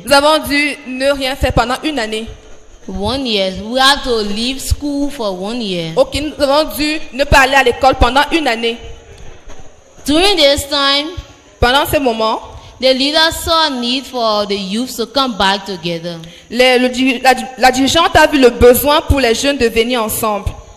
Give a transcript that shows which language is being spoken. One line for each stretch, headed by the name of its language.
French: Nous avons dû ne rien faire pendant une année.
English: 1 year, we have to leave school for 1 year.
French: Ok, nous avons dû ne pas aller à l'école pendant une année.
English: During this time,
French: pendant ce moment,
English: the leader saw a need for the youth to come back together.
French: La dirigeante a vu le besoin pour les jeunes de venir ensemble.